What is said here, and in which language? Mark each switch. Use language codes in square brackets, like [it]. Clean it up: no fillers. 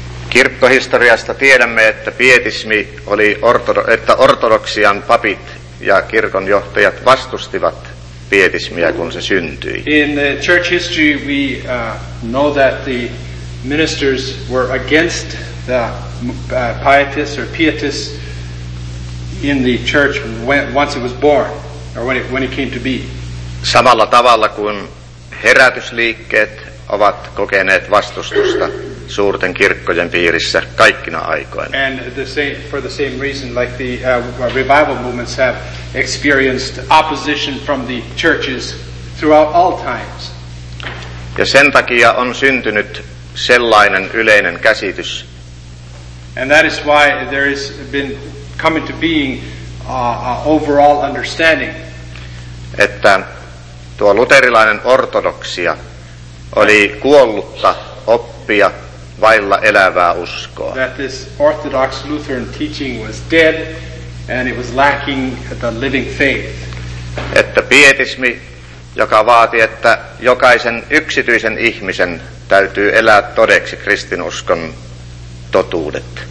[fi] Kirkkohistoriasta tiedämme, että pietismi oli että ortodoksian papit ja kirkon johtajat vastustivat pietismiä, kun se syntyi. [en] In the church history we know that the ministers were against the Pietists or Pietists in the church once it was born or when it came to be. [fi] Samalla tavalla kuin herätysliikkeet ovat kokeneet vastustusta suurten kirkkojen piirissä kaikkina aikoina. [en] And for the same reason like the revival movements have experienced opposition from the churches throughout all times. [fi] Ja sen takia on syntynyt sellainen yleinen käsitys. [en] And that is why there has been coming to being overall understanding. [fi] Että tuo luterilainen ortodoksia oli kuollutta oppia vailla elävää uskoa. [en] That this orthodox Lutheran teaching was dead and it was lacking the living faith. [fi] Että pietismi, joka vaati, että jokaisen yksityisen ihmisen täytyy elää todeksi kristinuskon totuudet.